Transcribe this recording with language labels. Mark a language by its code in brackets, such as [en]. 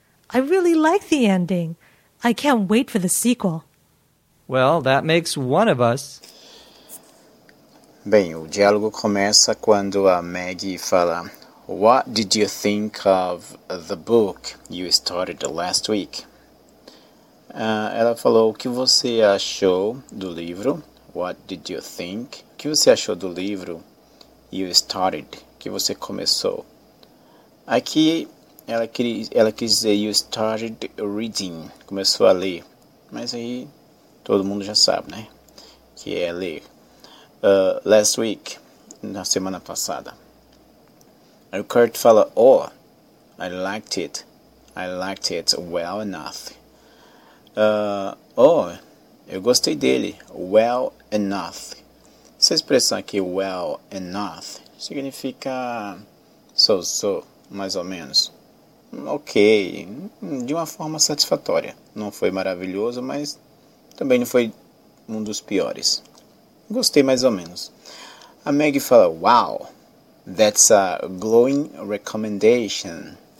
[en] I really like the ending. I can't wait for the sequel. Well, that makes one of us. [pt] Bem, o diálogo começa quando a Maggie fala, [en] "What did you think of the book you started last week?" [pt] Ela falou, "O que você achou do livro?" [en] What did you think? [pt] O que você achou do livro? [en] You started. [pt] Que você começou. Aqui, ela quis dizer [en] you started reading. [pt] Começou a ler. Mas aí, todo mundo já sabe, né? Que é ler. [en] Last week. [pt] Na semana passada. O Kurt fala, [en] oh, I liked it. I liked it well enough. [pt] Eu gostei dele. [en] Well enough. [pt] Essa expressão aqui, [en] well enough, [pt] significa so-so, mais ou menos. Ok, de uma forma satisfatória. Não foi maravilhoso, mas também não foi um dos piores. Gostei mais ou menos. A Maggie fala, [en] wow, that's a glowing recommendation.